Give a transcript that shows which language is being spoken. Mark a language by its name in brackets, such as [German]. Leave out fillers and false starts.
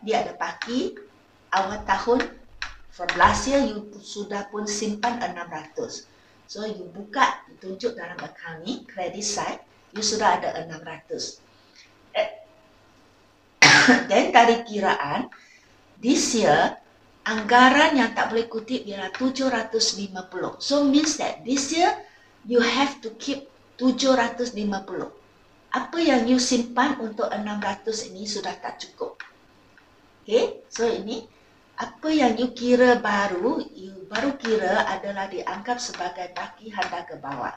[Malay] Dia ada baki awal tahun [English] from last year [Malay] you sudah pun simpan 600. So you buka tunjuk dalam account ni credit side, you sudah ada 600. Dan dari kiraan, [English] this year, [Malay] anggaran yang tak boleh kutip ialah 750. [English] So, means that this year, you have to keep 750. [Malay] Apa yang you simpan untuk 600 ini sudah tak cukup. Okay, so ini, apa yang you kira baru, you baru kira adalah dianggap sebagai baki handa ke bawah.